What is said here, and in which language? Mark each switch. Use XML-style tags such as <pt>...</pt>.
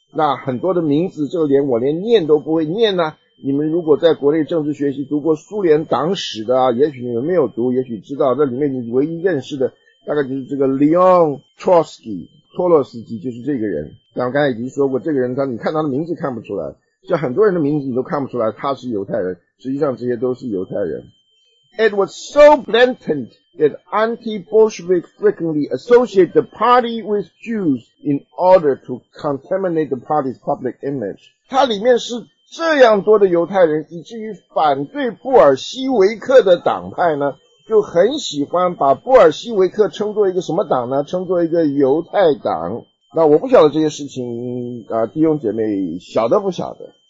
<zh>那很多的名字就连我连念都不会念呢、啊、你们如果在国内政治学习读过苏联党史的、啊、也许你们没有读，也许知道这里面你唯一认识的大概就是这个 Leon Trotsky， 托洛斯基，就是这个人。但我刚才已经说过，这个人他你看他的名字看不出来，像很多人的名字你都看不出来他是犹太人，实际上这些都是犹太人。</zh> <en>It was so blatant that anti-Bolshevik frequently associated the party with Jews in order to contaminate the party's public image.</en> <zh>它里面是这样多的犹太人，以至于反对布尔希维克的党派呢，就很喜欢把布尔希维克称作一个什么党呢？称作一个犹太党。那我不晓得这些事情啊，弟兄姐妹晓得不晓得？</zh>